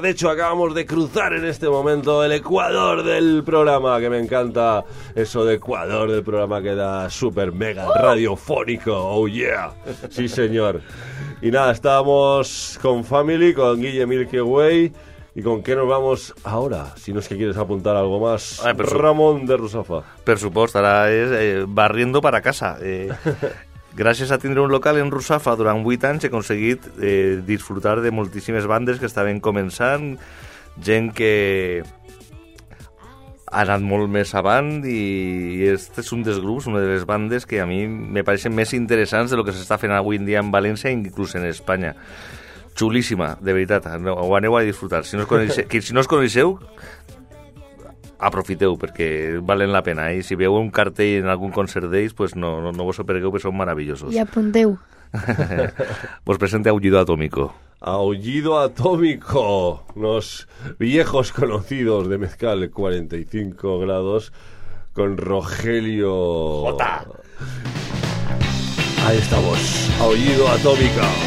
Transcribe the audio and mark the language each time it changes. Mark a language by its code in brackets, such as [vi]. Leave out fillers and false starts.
[es] De hecho, acabamos de cruzar en este momento el Ecuador del programa, que me encanta eso de Ecuador del programa, que da super mega radiofónico. Oh yeah, sí señor. Y nada, estábamos con Family, con Guille Milky Way. ¿Y con qué nos vamos ahora? Si no es que quieres apuntar algo más, Ramón de Rusafa. Por supuesto, ahora es barriendo para casa. [ca] gràcies a tindre un local en Rusafa, durant 8 anys he aconseguit disfrutar de moltíssimes bandes que estaven començant, gent que ha anat molt més avant, i este és un dels grups, una de les bandes que a mi me pareixen més interessants de lo que s'està fent avui en dia en València, inclús en Espanya. Xulíssima, de veritat, ho aneu a disfrutar. Si no us coneixeu, aprofiteu, perquè valen la pena. I si veieu un cartell en algun concert d'ells, pues no vos ho pergueu, perquè són meravellosos. I apunteu. Vos presente Aullido Atómico. [es] Aullido Atómico, los viejos conocidos de Mezcal 45 grados, con Rogelio Jota. Ahí estamos, Aullido Atómico.